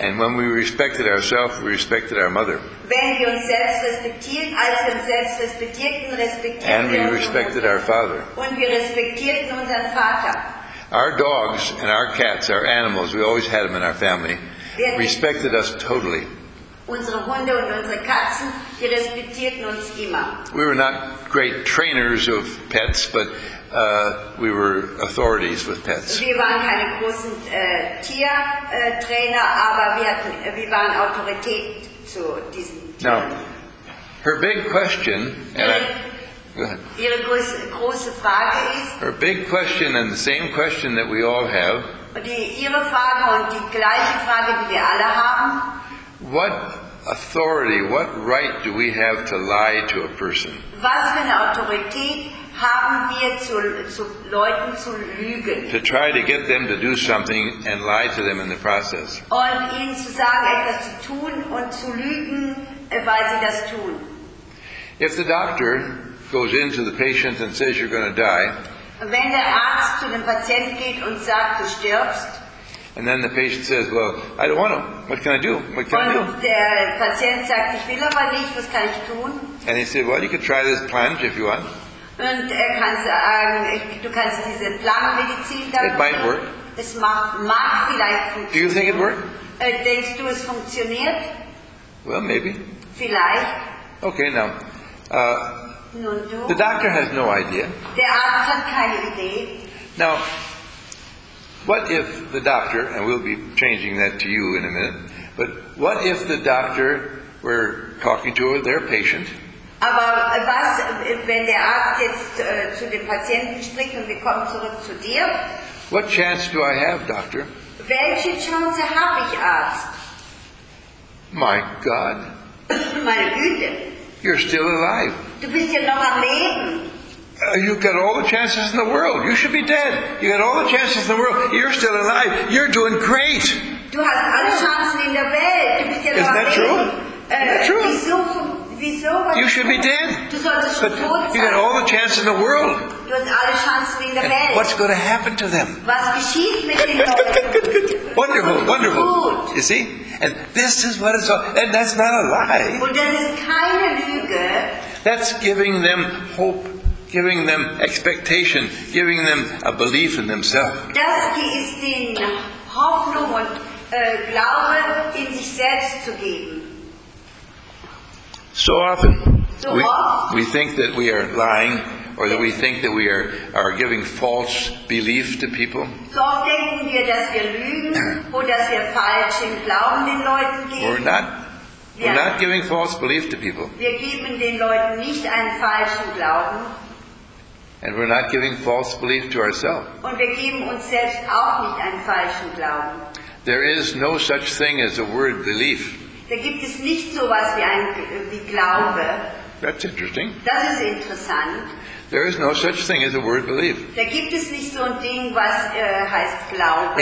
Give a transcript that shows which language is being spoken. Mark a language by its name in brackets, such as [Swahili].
[English] And when we respected ourselves, we respected our mother. [German] Wenn wir uns selbst respektierten, als wir uns selbst respektierten, respektierten [English] and we respected our father. [German] Und wir respektierten unseren Vater. [English] Our dogs and our cats, our animals, we always had them in our family, respected us totally. [German] Unsere Hunde und unsere Katzen, die respektierten uns immer. [English] We were not great trainers of pets, but we were authorities with pets. [German] Wir waren keine großen Tiertrainer, aber wir waren Autorität zu diesen Tieren. [English] Now, her big question, [German] ihre große Frage ist, [English] her big question and the same question that we all have, [German] ihre Frage und die gleiche Frage, die wir alle haben, [English] what authority, what right do we have to lie to a person? [German] Was für eine Autorität haben wir zu Leuten zu lügen? [English] To try to get them to do something and lie to them in the process. [German] Und ihnen zu sagen, etwas zu tun und zu lügen, weil sie das tun. [English] If the doctor goes into the patient and says you're going to die, [German] wenn der Arzt zu dem Patienten geht und sagt, du stirbst, [English] and then the patient says, well, I don't want to. What can I do? What can [German] und [English] I do? [German] Der Patient sagt, ich will aber nicht. Was kann ich tun? [English] And he said, well, you could try this plunge if you want. [German] Und er kann sagen, du kannst diese Plangenmedizin da. [English] It might work. [German] Es mag vielleicht funktionieren. [English] Do you think it work? [German] Denkst du, es funktioniert? [English] Well, maybe. [German] Vielleicht. [English] Okay, now. [German] Nun du? [English] The doctor has no idea. [German] Der Arzt hat keine Idee. [English] Now, what if the doctor, and we'll be changing that to you in a minute, But what if the doctor were talking to their patient? [German] Aber was, wenn der Arzt jetzt zu dem Patienten spricht und wir kommen zurück zu dir? [English] What chance do I have, doctor? [German] Welche Chance habe ich, Arzt? [English] My God. [German] Meine Güte. [English] You're still alive. [German] Du bist ja noch am Leben. [English] You've got all the chances in the world. You should be dead. You got all the chances in the world. You're still alive. You're doing great. [German] Du hast alle Chancen in der Welt. Du bist ja [English] Isn't that [German] leben. [English] True? Isn't that true? [German] Wieso, [English] you should be dead. [German] Du solltest schon tot sein. [English] You got all the chances in the world. [German] Du hast alle Chancen in der Welt. [English] What's going to happen to them? [German] Was geschieht mit den [English] Leuten? Wonderful, wonderful. [German] Gut. [English] You see? And this is what it's all. And that's not a lie. [German] Und das ist keine Lüge. [English] That's giving them hope. Giving them expectation, giving them a belief in themselves. [German] Das ist den Hoffnung und Glaube in sich selbst zu geben. [English] So often, [German] so oft, [English] we think that we are lying, or that we think that we are giving false belief to people. [German] So oft denken wir, dass wir lügen, oder dass wir falschen Glauben den Leuten geben. [English] We're not giving false belief to people. [German] Wir geben den Leuten nicht einen falschen Glauben. [English] And we're not giving false belief to ourselves. [German] Und wir geben uns selbst auch nicht einen falschen Glauben. [English] There is no such thing as a word belief. [German] Da gibt es nicht sowas wie Glaube. [English] That's interesting. [German] Das ist interessant. [English] There is no such thing as a word belief. [German] Da gibt es nicht so ein Ding, was heißt Glaube.